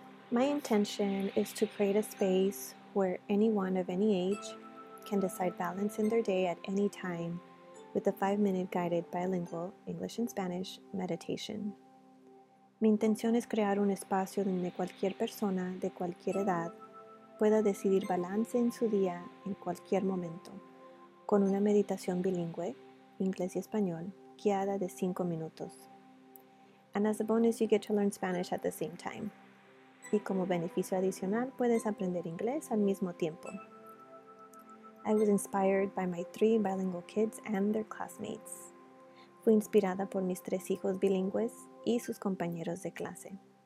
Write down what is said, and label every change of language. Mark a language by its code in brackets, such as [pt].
[en] My intention is to create a space where anyone of any age can decide balance in their day at any time with a 5-minute guided bilingual English and Spanish meditation. [es] Mi intención es crear un espacio donde cualquier persona de cualquier edad pueda decidir balance en su día en cualquier momento con una meditación bilingüe, inglés y español, guiada de 5 minutos. [en] And as a bonus, you get to learn Spanish at the same time. [es] Y como beneficio adicional, puedes aprender inglés al mismo tiempo. [en] I was inspired by my 3 bilingual kids and their classmates. [es] Fui inspirada por mis 3 hijos bilingües y sus compañeros de clase.